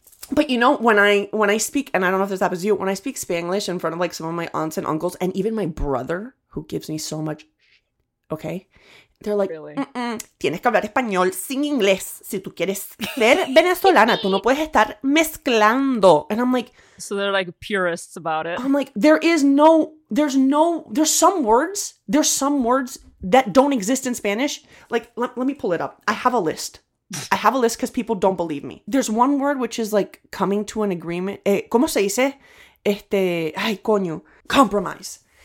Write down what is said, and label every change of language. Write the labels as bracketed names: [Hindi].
[English] But you know, when I speak, and I don't know if this happens to you, when I speak Spanglish in front of like some of my aunts and uncles, and even my brother, who gives me so much, okay? They're like, really? [Spanish] Tienes que hablar español sin inglés. Si tú quieres ser venezolana, tú no puedes estar mezclando. [English] And I'm like... So they're like purists about it. I'm like, there's some words that don't exist in Spanish. Like, let me pull it up. I have a list because people don't believe me. There's one word which is like coming to an agreement. [Spanish] ¿Cómo se dice? Ay, coño. Compromise.